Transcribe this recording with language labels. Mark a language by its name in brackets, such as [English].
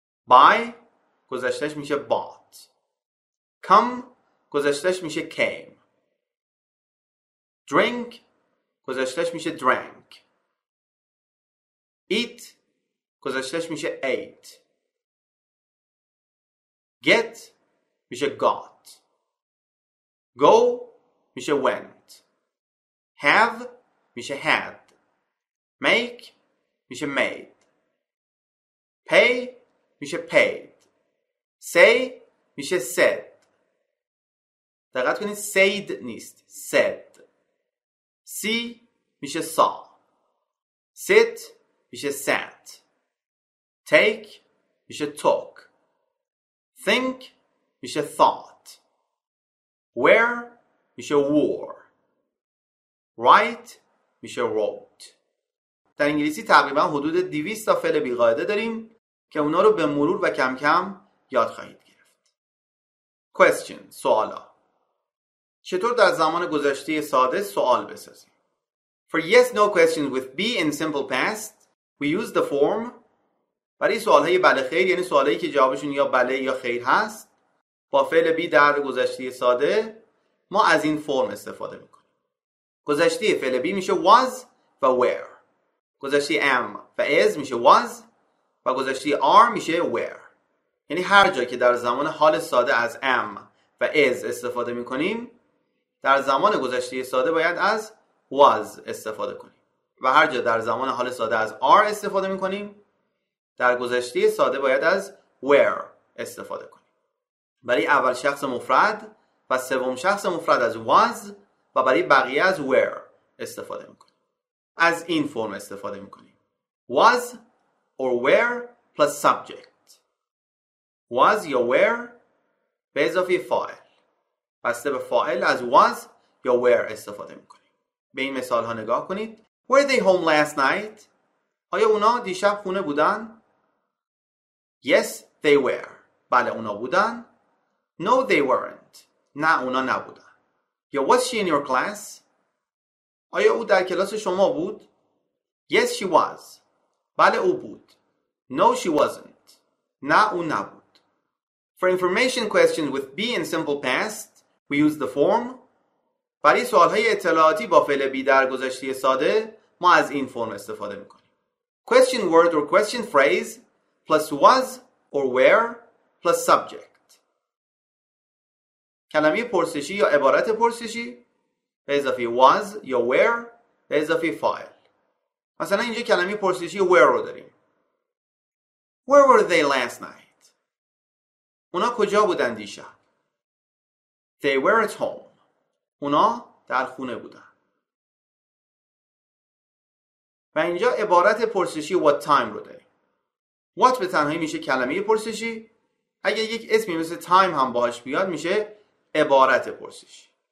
[Persian] buy گذشتهش میشه bought. come گذشتهش میشه came. drink گذشتهش میشه drank. eat گذشتهش میشه ate. get میشه got. go میشه went. have میشه had. make میشه made. pay میشه paid. say میشه said. دقت کنید said نیست said. see میشه saw. sit میشه sat. take میشه talk. think میشه thought. wear میشه wore. write میشه wrote. در انگلیسی تقریبا حدود 200 تا فعل بی‌قاعده داریم که اونا رو به مرور و کم کم یاد خواهید گرفت. question سوالا. چطور در زمان گذشته ساده سوال بسازیم؟ [English] For yes no questions with be in simple past we use the form. [Persian] برای سوالهای بله خیر، یعنی سوالهایی که جوابشون یا بله یا خیر هست، با فعل بی در گذشته ساده ما از این فرم استفاده میکنیم. گذشته فعل بی میشه was و were. گذشته am و is میشه was و گذشته are میشه were. یعنی هر جا که در زمان حال ساده از am و is استفاده میکنیم، در زمان گذشته ساده باید از was استفاده کنیم. و هر جا در زمان حال ساده از are استفاده میکنیم، در گذشته ساده باید از were استفاده کنیم. برای اول شخص مفرد و سوم شخص مفرد از was و برای بقیه از were استفاده میکنیم. از این فرم استفاده میکنیم. [English] was or were plus subject. [Persian] was یا were به اضافه فاعل. بسته به فاعل از was یا were استفاده میکنیم. به این مثال ها نگاه کنید. [English] Were they home last night? [Persian] آیا اونا دیشب خونه بودن؟ [English] Yes, they were. [Persian] بله اونا بودن. [English] No, they weren't. [Persian] نه اونا نبودن. [English] Yo, was she in your class? [Persian] آیا او در کلاس شما بود؟ [English] Yes, she was. [Persian] بله او بود. [English] No, she wasn't. [Persian] نه او نبود. [English] For information questions with be in simple past, we use the form. [Persian] برای سوالهای اطلاعاتی با فعل بی در گذشته ساده، ما از این فرم استفاده میکنیم. [English] Question word or question phrase plus was or where plus subject. [Persian] کلمه پرسشی یا عبارت پرسشی به اضافه was یا where به اضافه فاعل. مثلا اینجا کلمه پرسشی where رو داریم. [English] Where were they last night? [Persian] اونا کجا بودن دیشب؟ [English] They were at home. [Persian] اونا در خونه بودن. و اینجا عبارت پرسشی what time رو داریم. What به تنهایی میشه کلمه پرسشی. اگه یک اسمی مثل time هم باهاش بیاد میشه عبارت پرسشی.